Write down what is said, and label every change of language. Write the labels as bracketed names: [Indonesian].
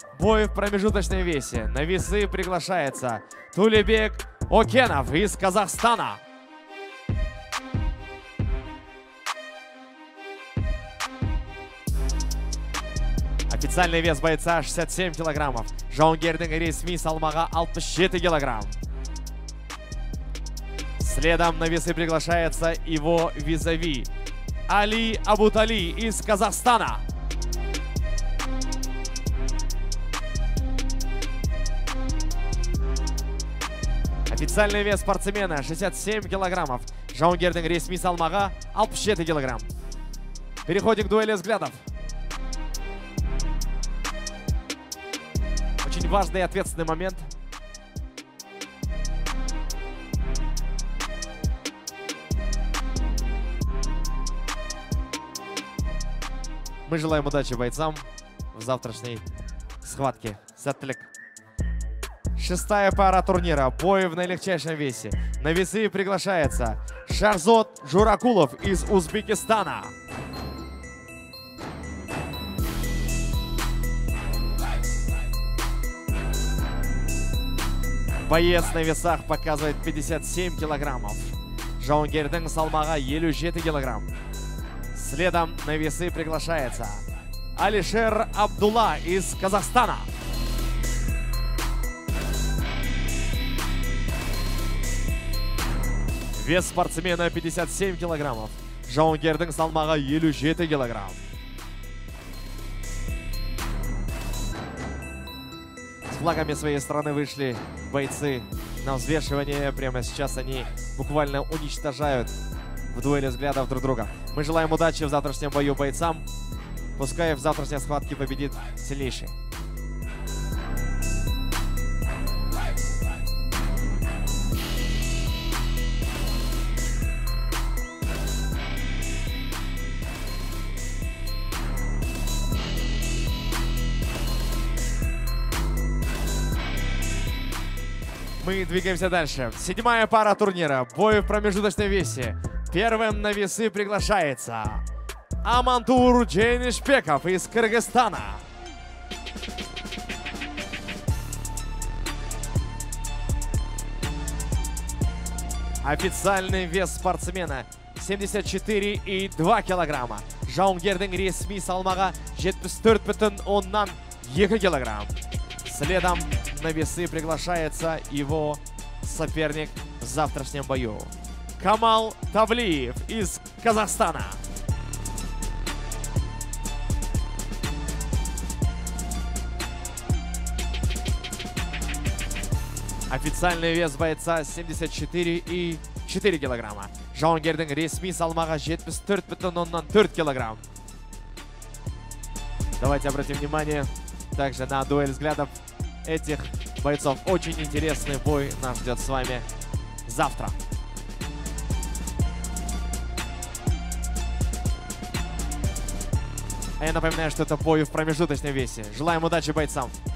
[Russian] Бой в промежуточном весе. На весы приглашается Тулебек Окенов из Казахстана. Официальный вес бойца 67 килограммов. [Kazakh] Жаунгердің ресми салмағы 67 килограмм. [Russian] Следом на весы приглашается его визави Али Абутали из Казахстана. Официальный вес спортсмена 67 килограммов. [Kazakh] Жаунгердің ресми салмағы 67 килограмм. [Russian] Переходим к дуэли взглядов. Очень важный и ответственный момент. Мы желаем удачи бойцам в завтрашней схватке. [Kazakh] Сәттілік. [Russian] Шестая пара турнира. Бой в наилегчайшем весе. На весы приглашается Шарзот Журакулов из Узбекистана. Боец на весах показывает 57 килограммов. [Kazakh] Жаунгердің салмағы 57 килограмм. [Russian] Следом на весы приглашается Алишер Абдулла из Казахстана. Вес спортсмена 57 килограммов. [Kazakh] Жаунгердің салмағы 57 килограмм. [Russian] С флагами своей страны вышли бойцы на взвешивание. Прямо сейчас они буквально уничтожают в дуэли взглядов друг друга. Мы желаем удачи в завтрашнем бою бойцам. Пускай в завтрашней схватке победит сильнейший. Мы двигаемся дальше. Седьмая пара турнира. Бой в промежуточном весе. Первым на весы приглашается Амантур Джейнишбеков из Кыргызстана. Официальный вес спортсмена 74,2 килограмма. [Kazakh] Жаунгердің ресми салмағы 74,2 килограмм. [Russian] Следом на весы приглашается его соперник в завтрашнем бою. Камал Тавлиев из Казахстана. Официальный вес бойца 74,4 килограмма. [Kazakh] Жаунгердің ресми салмағы 74,4 килограмм. [Russian] Давайте обратим внимание также на дуэль взглядов этих бойцов. Очень интересный бой нас ждет с вами завтра. А я напоминаю, что это бой в промежуточном весе. Желаем удачи бойцам.